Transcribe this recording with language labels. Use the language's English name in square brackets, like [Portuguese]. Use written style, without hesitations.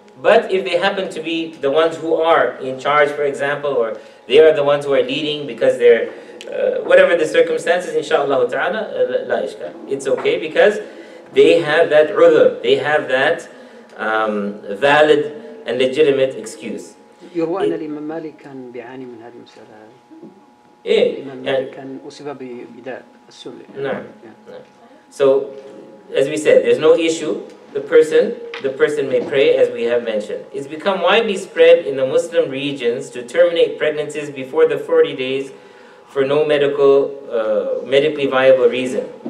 [English] But if they happen to be the ones who are in charge, for example, or they are the ones who are leading because they're, whatever the circumstances, inshallah ta'ala, la ishka. It's okay because they have that udhur, they have that valid and legitimate excuse. [Arabic] يروى أن الإمام مالك كان بيعاني من هذه المسألة. إيه. الإمام مالك كان أصيب بداء السل. نعم. [English] So, as we said, there's no issue. The person may pray as we have mentioned. It's become widely spread in the Muslim regions to terminate pregnancies before the 40 days for no medically viable reason.